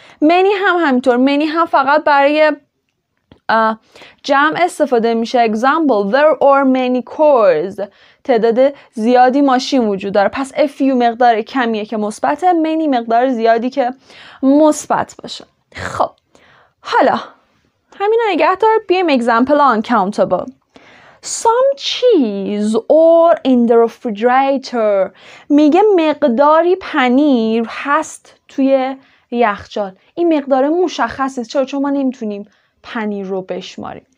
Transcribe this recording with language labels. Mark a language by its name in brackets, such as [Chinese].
[Persian] many هم همینطور، many هم فقط برای جمع استفاده میشه. [English] example: there are many cars، [Persian] تعداد زیادی ماشین وجود داره. پس a few مقدار کمیه که مثبته، many مقدار زیادی که مثبت باشه. خب حالا همین رو نگه دار. بیایم [English] example uncountable. Some cheese or in the refrigerator. [Persian] میگه مقداری پنیر هست توی یخچال. این مقدار مشخص است. چرا؟ چون ما نمیتونیم پنیر رو بشماریم.